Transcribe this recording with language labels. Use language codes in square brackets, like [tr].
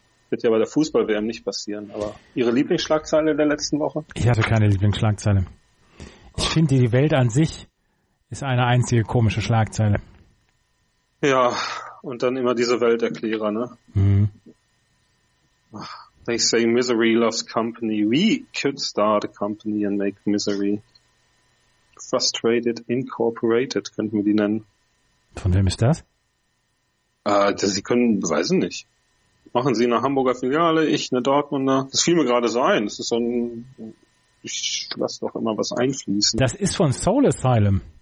[de] Wird ja bei der Fußball-WM nicht passieren. Aber Ihre Lieblingsschlagzeile der letzten Woche? Ich hatte keine Lieblingsschlagzeile. Ich finde, die Welt an sich ist eine einzige komische Schlagzeile. Ja, und dann immer diese Welterklärer, ne? [en] They say misery loves company. We could start a company and make misery. [de] Frustrated Incorporated, könnten wir die nennen. Von wem ist das? Sie können, weiß ich nicht. Machen Sie eine Hamburger Filiale, ich eine Dortmunder. Das fiel mir gerade so ein. Das ist so ein, ich lasse doch immer was einfließen. Das ist von Soul Asylum.